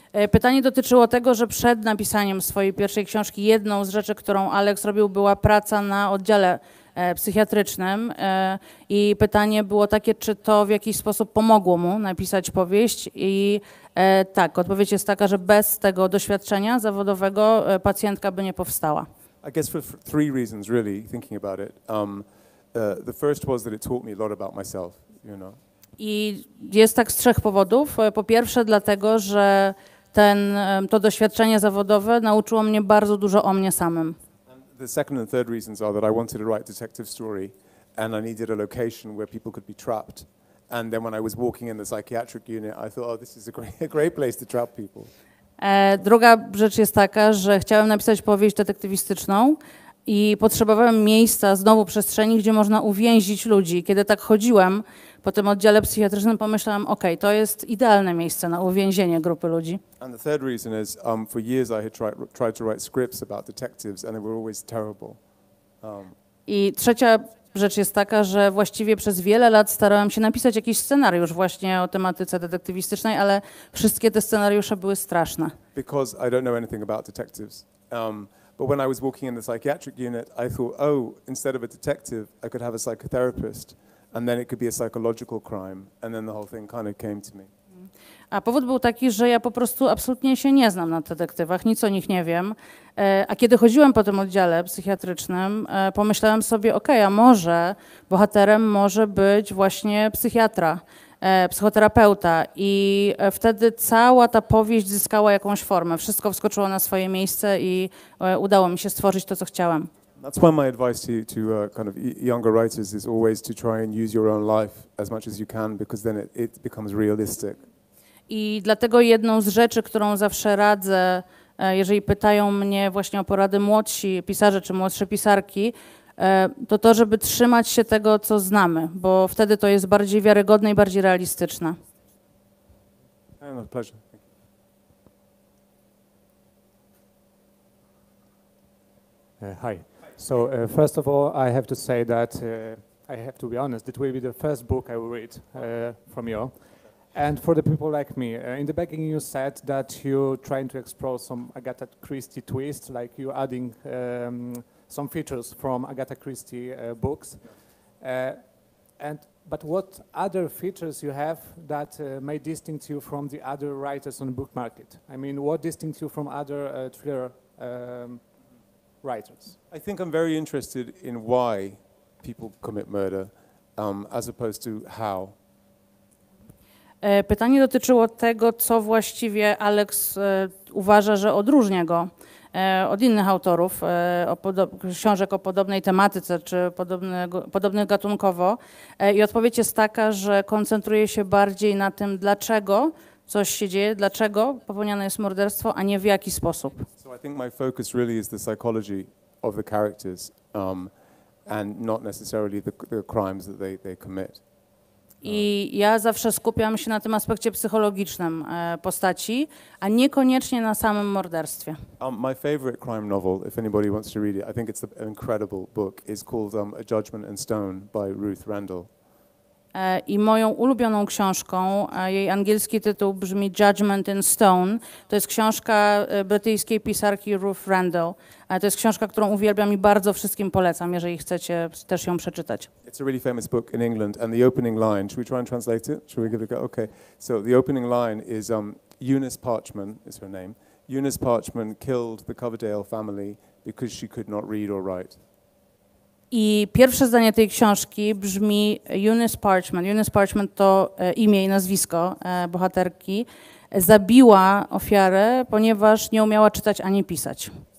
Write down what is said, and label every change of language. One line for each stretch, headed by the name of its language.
Polish: Pytanie dotyczyło tego, że przed napisaniem swojej pierwszej książki jedną z rzeczy, którą Alex robił, była praca na oddziale psychiatrycznym. I pytanie było takie, czy to w jakiś sposób pomogło mu napisać powieść. I tak, odpowiedź jest taka, że bez tego doświadczenia zawodowego pacjentka by nie powstała.
English: I guess for three reasons really, thinking about it. The first was that it taught me a lot about myself, you know.
Polish: I jest tak z trzech powodów. Po pierwsze dlatego, że to doświadczenie zawodowe nauczyło mnie bardzo dużo o mnie samym.
English: The second and third reasons are that I wanted to write a detective story and I needed a location where people could be trapped. And then when I was walking in the psychiatric unit, I thought, oh, this is a great place to trap people.
Polish: Druga rzecz jest taka, że chciałem napisać powieść detektywistyczną. I potrzebowałem miejsca, znowu przestrzeni, gdzie można uwięzić ludzi. Kiedy tak chodziłem po tym oddziale psychiatrycznym, pomyślałem, okej, to jest idealne miejsce na uwięzienie grupy ludzi.
English: And the third reason is, for years I had tried to write scripts about detectives and they were always terrible.
Polish: I trzecia rzecz jest taka, że właściwie przez wiele lat starałem się napisać jakiś scenariusz właśnie o tematyce detektywistycznej, ale wszystkie te scenariusze były straszne.
English: Because I don't know anything about detectives. But when I was walking in the psychiatric unit, I thought, oh, instead of a detective, I could have a psychotherapist, and then it could be a psychological crime, and then the whole thing kind of came to me.
Polish: A powód był taki, że ja po prostu absolutnie się nie znam na detektywach, nic o nich nie wiem. A kiedy chodziłem po tym oddziale psychiatrycznym, pomyślałem sobie, okej, a może bohaterem może być właśnie psychiatra, psychoterapeuta. I wtedy cała ta powieść zyskała jakąś formę. Wszystko wskoczyło na swoje miejsce i udało mi się stworzyć to, co chciałem.
English: That's why my advice to kind of younger writers is always to try and use your own life as much as you can, because then it becomes realistic.
Polish: I dlatego jedną z rzeczy, którą zawsze radzę, jeżeli pytają mnie właśnie o porady młodsi pisarze czy młodsze pisarki, to to, żeby trzymać się tego, co znamy, bo wtedy to jest bardziej wiarygodne i bardziej realistyczne.
English: Hi. So first of all, I have to say that I have to be honest, it will be the first book I will read from you. And for the people like me, in the beginning you said that you're trying to explore some Agatha Christie twist, like you're adding some features from Agatha Christie books. But what other features you have that may distinct you from the other writers on the book market? I mean, what distinct you from other thriller writers? I think I'm very interested in why people commit murder as opposed to how.
Polish: Pytanie dotyczyło tego, co właściwie Alex uważa, że odróżnia go od innych autorów książek o podobnej tematyce czy podobnych gatunkowo. I odpowiedź jest taka, że koncentruje się bardziej na tym, dlaczego coś się dzieje, dlaczego popełniane jest morderstwo, a nie w jaki sposób.
English: So I think my focus really is the psychology of the characters and not necessarily the crimes that they commit.
Polish: I ja zawsze skupiam się na tym aspekcie psychologicznym postaci, a niekoniecznie na samym morderstwie.
English: My favorite crime novel, if anybody wants to read it, I think it's an incredible book, is called A Judgment in Stone by Ruth Rendell.
Polish: I moją ulubioną książką, jej angielski tytuł brzmi Judgment in Stone, to jest książka brytyjskiej pisarki Ruth Rendell. To jest książka, którą uwielbiam i bardzo wszystkim polecam, jeżeli chcecie też ją przeczytać.
English: It's a really famous book in England and the opening line, should we try and translate it? Should we give it a go? Okay. So the opening line is Eunice Parchman is her name. Eunice Parchman killed the Coverdale family because she could not read or write.
Polish: I pierwsze zdanie tej książki brzmi Eunice Parchman. Eunice Parchman to imię i nazwisko bohaterki. Zabiła ofiarę, ponieważ nie umiała czytać ani pisać.